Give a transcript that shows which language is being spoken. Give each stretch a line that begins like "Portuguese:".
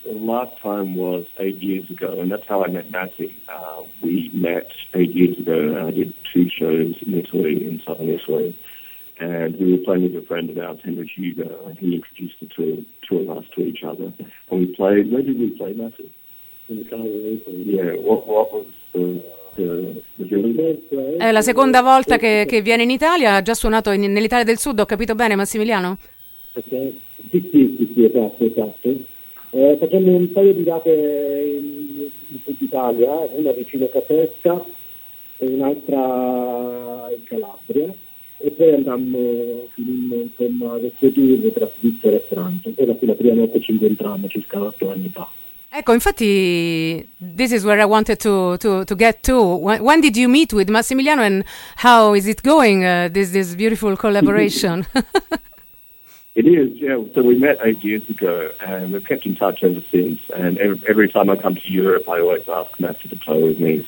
English: The last time was 8 years ago, and that's how I met Matty. We met 8 years ago, and I did 2 shows in Italy, in southern Italy. And we were playing with a friend of ours, Henry Hugo, and he introduced the two of us to each other. And we played, where did we play, Matty? In the country. Yeah, what was the...
Italian: È la seconda volta che viene in Italia, ha già suonato nell'Italia del Sud, ho capito bene Massimiliano? Okay. Sì, esatto. Facciamo un paio di date in Sud Italia, una vicino Caserta e un'altra in Calabria, e poi andammo insomma a questo tour tra Svizzera e Francia, quella fu la prima notte ci incontrammo circa 8 anni fa. Ecco, infatti,
English: this is where I wanted to get to. When did you meet with Massimiliano, and how is it going? This beautiful collaboration. It is, yeah. So we met 8 years ago, and we've kept in touch ever since. And every time I come to Europe, I always ask Matthew to play with me.